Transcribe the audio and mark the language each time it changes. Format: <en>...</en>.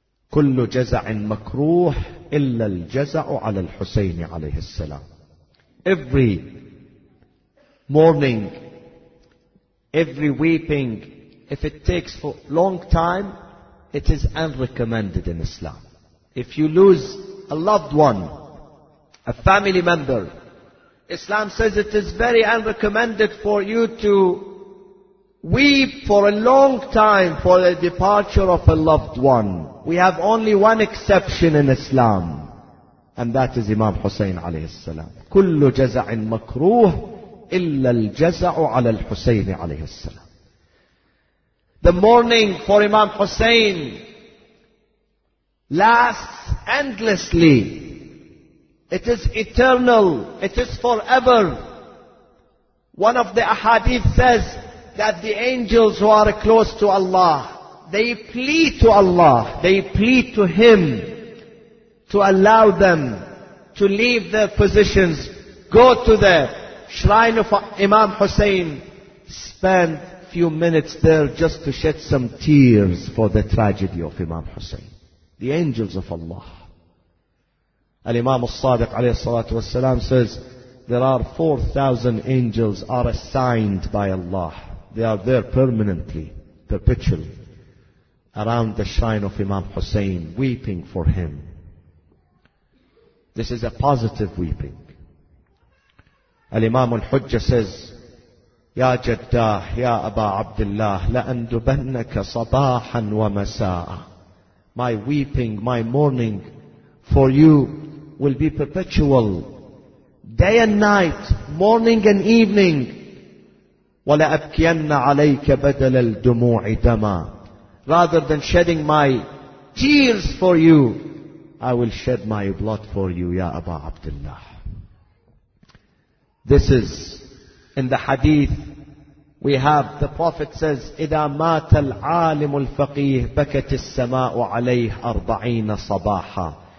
<ar>كل جزع مكروه إلا الجزع على الحسين عليه السلام.</ar> <en>Every mourning, every weeping, if it takes for long time, it is unrecommended in Islam. If you lose a loved one, a family member, Islam says it is very unrecommended for you to weep for a long time for the departure of a loved one. We have only one exception in Islam, and that is Imam Hussein alayhi salam.</en> <ar>كل جزع مكروه إلا الجزع على الحسين عليه السلام.</ar> <en>The mourning for Imam Hussein lasts endlessly. It is eternal. It is forever. One of the ahadith says that the angels who are close to Allah, they plea to Allah, they plead to Him to allow them to leave their positions, go to the shrine of Imam Hussein, spend few minutes there just to shed some tears for the tragedy of Imam Hussein. The angels of Allah. Al-Imam al-Sadiq alayhi salatu wasalam says, there are 4,000 angels are assigned by Allah. They are there permanently, perpetually, around the shrine of Imam Hussein, weeping for him. This is a positive weeping. Al-Imam al-Hujjah says,</en> <ar>يا جداه يا أبا عبد الله لأندبنك صباحا ومساء.</ar> <en>My weeping, my mourning for you will be perpetual, day and night, morning and evening.</en> <ar>ولأبكين عليك بدل الدموع دما.</ar> <en>Rather than shedding my tears for you, I will shed my blood for you,</en> <ar>يا أبا عبد الله.</ar> <en>This is in the hadith. We have the Prophet says,</en> <ar>إِذَا مَاتَ الْعَالِمُ الْفَقِيهِ بَكَتِ السَّمَاءُ عَلَيْهِ أَرْبَعِينَ صَبَاحًا.</ar>